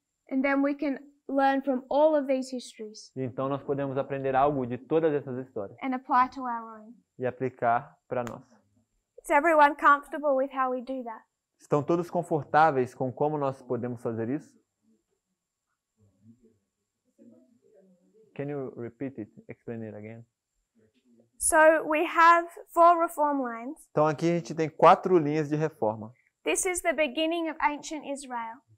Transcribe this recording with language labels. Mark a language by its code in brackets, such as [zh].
[en] And then we can learn from all of these histories. [pt] E então nós podemos aprender algo de todas essas histórias. [en] And apply to our own. [pt] E aplicar para nós. [en] Is everyone comfortable with how we do that? [pt] Estão todos confortáveis com como nós podemos fazer isso? [en] Can you repeat it? Explain it again. So we have four reform lines. [pt] Então aqui a gente tem quatro linhas de reforma. [en] This is the beginning of ancient Israel.